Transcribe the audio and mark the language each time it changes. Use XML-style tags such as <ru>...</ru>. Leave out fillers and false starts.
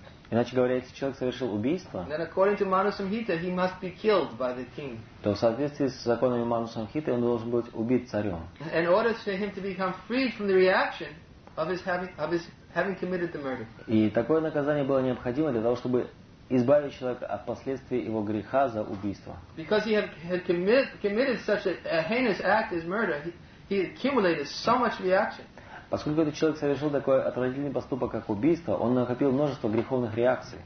<ru>иначе говоря, если человек совершил убийство,</ru> <en>then according to Manu Samhita, he must be killed by the king.</en> <ru>То в соответствии с законами Ману Самхиты он должен быть убит царем.</ru> <en>In order for him to become freed from the reaction of his having committed the murder.</en> <ru>И такое наказание было необходимо для того, чтобы избавить человека от последствий его греха за убийство.</ru> <en>Because he had committed such a heinous act as murder, he accumulated so much reaction.</en> <ru>Поскольку этот человек совершил такой отвратительный поступок, как убийство, он накопил множество греховных реакций.</ru>